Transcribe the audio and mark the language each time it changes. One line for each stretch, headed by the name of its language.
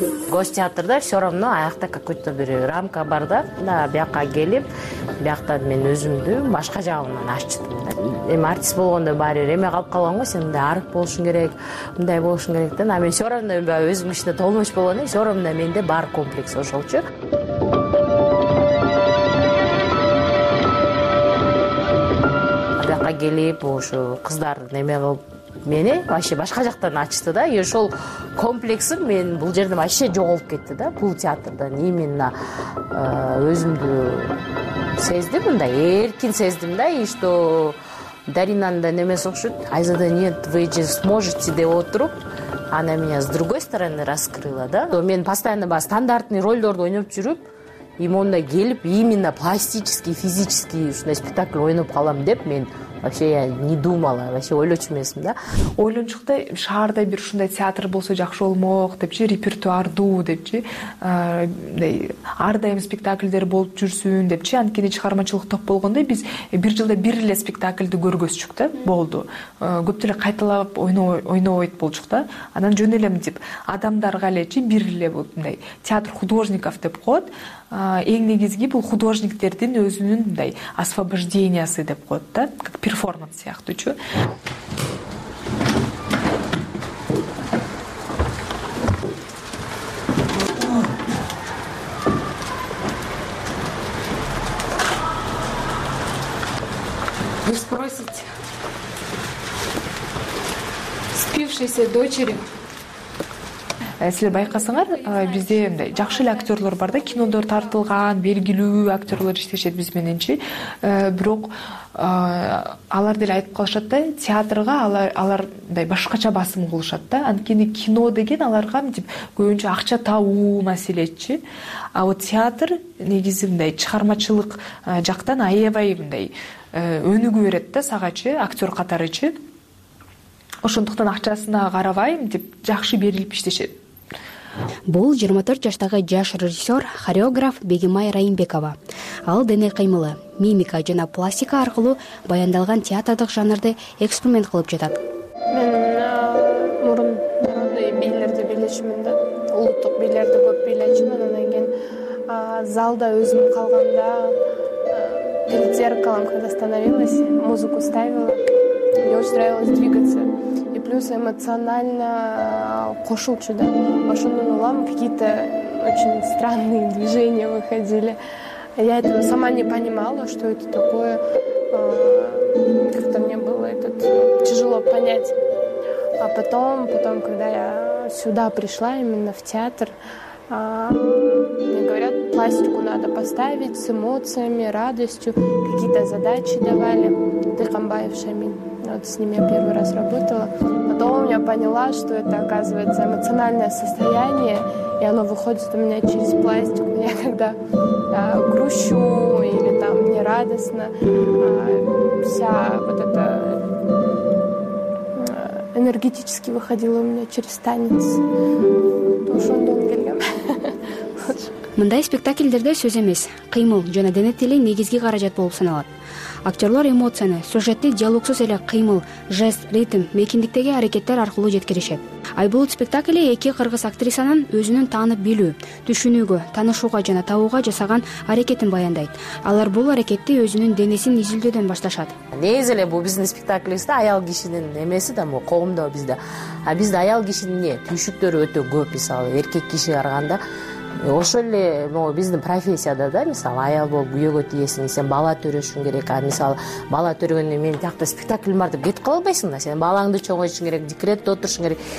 Kyrgyz: Гостеатрда все равно аякта какой-то бир рамка бар да. Да, бияка келип, бияка мен өзүмдү башка жагымдан ачтым. Эми артист болгондо баары бир эме калып калган го, сен мындай арык болушуң керек, мындай болушуң керек да. А мен все равно өзүм ичинде толмоч болгон, все равно менде бар комплекс ошолчу. Бияка келип, ошо кыздар эме кылып мени вообще башка жактан ачты да. И ошол комплексим мен бул жерден вообще жоголуп кетти да. Бул театрдан именно өзүмдү сездим, мындай эркин сездим да.
Russian: И что Даринанын да немеси окшойт, айзада нет, вы же сможете деп отуруп она меня с другой стороны раскрыла да.
Kyrgyz: Мен постоянно баягы стандартный ролдорду ойноп жүрүп и моунда келип именно пластический физический ушундай спектакль ойноп калам деп мен вообще я не думала, вообще ойлочу эмесмин да. Ойлончукта шаарда бир ушундай театр болсо жакшы болмок депчи, репертуардуу депчи, мындай ар дайым спектакльдер болуп жүрсүн депчи. Анткени чыгармачылык топ болгондо биз бир жылда бир эле спектакльди көргөзчүк да, болду. Көп деле кайталап ойнобойт болчук да. Анан жөн элем деп адамдарга элечи бир эле болуп мындай театр художников деп коет. Эң негизги бул художниктердин өзүнүн мындай освобождениясы деп коет да, как перформанс сыяктуучу.
Russian: Вы спросите спившейся дочери.
Kyrgyz: Силер байкасаңар бизде мындай жакшы эле актерлор бар да, кинодо тартылган белгилүү актерлор иштешет биз мененчи. Бирок алар деле айтып калышат да, театрга алар мындай башкача басым кылышат да. Анткени кино деген аларга мынтип көбүнчө акча табуу маселечи, а вот театр негизи мындай чыгармачылык жактан аябай мындай өнүгүү берет да сагачы, актер катарычы. Ошондуктан акчасына карабайм деп жакшы берилип иштешет. Бул 24 жаштагы жаш режиссер, хореограф Бегимай Райымбекова. Ал дене кыймылы, мимика жана пластика аркылуу баяндалган театрдык жанрды эксперимент кылып жатат. Мен мурун мындай бийлерди бийлечүмүн да, улуттук бийлерди көп бийлечүмүн.
Russian: Анан кийин залда өзүм калганда перед зеркалом, когда становилась, музыку ставила. Мне очень нравилось двигаться. И плюс эмоционально кошулчу, да. Ошондон улам какие-то очень странные движения выходили. Я этого сама не понимала, что это такое. Как-то мне было это тяжело понять. А потом, когда я сюда пришла, именно в театр, мне говорят, пластику надо поставить с эмоциями, радостью. Какие-то задачи давали. Ты Камбаев Шамин. Вот с ними я первый раз работала. Потом я поняла, что это, оказывается, эмоциональное состояние, и оно выходит у меня через пластику. Я когда грущу или там мне радостно, вся вот эта энергетически выходила у меня через танец.
Kyrgyz: Мындай спектакльдерде сөз эмес, кыймыл жана дене тили негизги каражат болуп саналат. Актерлор эмоцияны, сюжетти диалогсуз эле кыймыл, жест, ритм, мейкиндиктеги аракеттер аркылуу жеткиришет. Айбулут спектакли эки кыргыз актрисанын өзүнүн таанып билүү, түшүнүүгө, таанышууга жана табууга жасаган аракетин баяндайт. Алар бул аракетти өзүнүн денесин изилдөөдөн башташат. Негизи эле бул биздин спектаклибизде аял кишинин эмеси да, бул коомдо бизде. А бизде аял кишинин түйшүктөрү өтө көп, мисалы эркек киши карганда. Ошол эле могу биздин профессияда да, мисалы аял болуп күйөөгө тиесиң, сен бала төрөшүң керек. А мисалы бала төргөндөн менин тиякта спектаклим бар деп кетип кала албайсың да. Сен балаңды чоңойтушуң керек, декретте отурушуң керек.